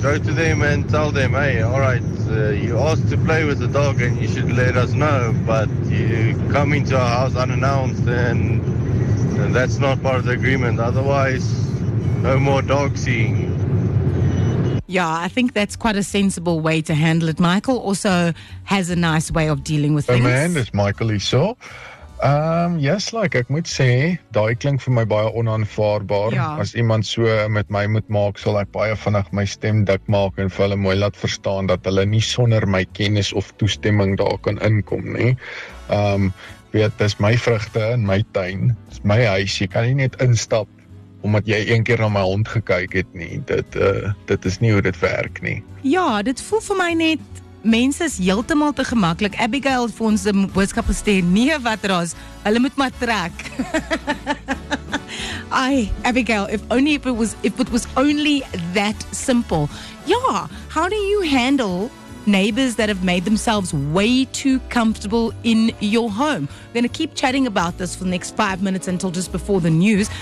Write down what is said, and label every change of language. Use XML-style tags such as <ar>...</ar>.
<en>Go to them and tell them, hey, all right, you asked to play with the dog and you should let us know, but you come into our house unannounced and that's not part of the agreement. Otherwise, no more dog seeing. Yeah, I think that's quite a sensible way to handle it. Michael also has a nice way of dealing with things. Man, it's Michael hierso.</en> <af>Yes, like ek moet sê, daai klink vir my baie onaanvaarbaar.</af> <en>Yeah.</en> <af>As iemand so met my moet maak, sal ek baie vinnig my stem dik maak en vir hulle mooi laat verstaan dat hulle nie sonder my kennis of toestemming daar kan inkom nie. Weet, dis my vrugte en my tuin, dis my huis, jy kan nie net instap omdat jy een keer na my hond gekyk het nie. Dit is nie hoe dit werk nie. Ja, dit voel vir my net, mense is heeltemal te gemaklik. Abigail vir ons die boodskap gestuur, nee wat ras, hulle moet maar trek.</af> <en>Ai, Abigail, if it was only that simple. Ja, how do you handle neighbors that have made themselves way too comfortable in your home? We're going to keep chatting about this for the next 5 minutes until just before the news.</en>